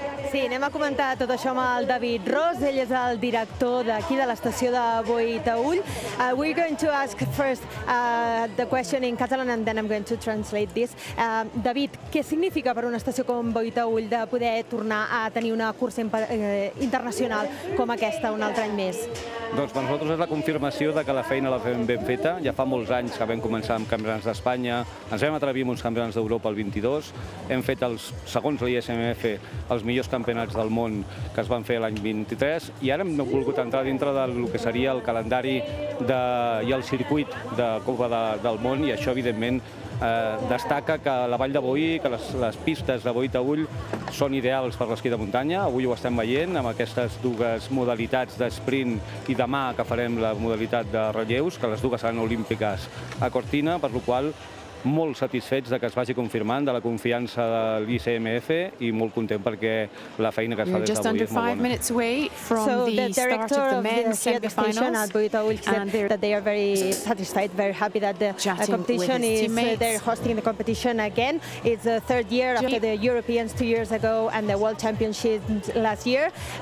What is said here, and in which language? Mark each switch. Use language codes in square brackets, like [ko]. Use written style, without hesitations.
[ca] Sí, anem a comentar tot això amb el David Ros. Ell és el director d'aquí, de l'estació de Boí Taull. [en] We're going to ask first the question in Catalan and then I'm going to translate this. [ca] David, què significa per una estació com Boí Taull de poder tornar a tenir una cursa internacional com aquesta un altre any més? Doncs per nosaltres és la confirmació de que la feina la fem ben feta. Ja fa molts anys que vam començar amb campionats d'Espanya, ens vam atrevir amb uns campionats d'Europa el 22, hem fet, els segons l'ISMF, els millors campionats del món que es van fer l'any 23, i ara hem volgut entrar dintre del que seria el calendari i el circuit de Copa del Món, i això, evidentment, destaca que la vall de Boí, que les pistes de Boí Taull són ideals per l'esquí de muntanya. Avui ho estem veient amb aquestes dues modalitats d'esprint i demà que farem la modalitat de relleus, que les dues seran olímpiques a Cortina, per la qual cosa molt satisfets de que es vagi confirmant, de la confiança de l'ICMF, i molt content perquè la feina que es fa des d'avui és molt bona. [en] Just under 5 minutes away from the start of the men's semifinals. The director of the station at Boí Taull said that they are very satisfied, very happy that the competition is, they're hosting the competition again. It's the third year after the Europeans 2 years ago and the World Championships last year.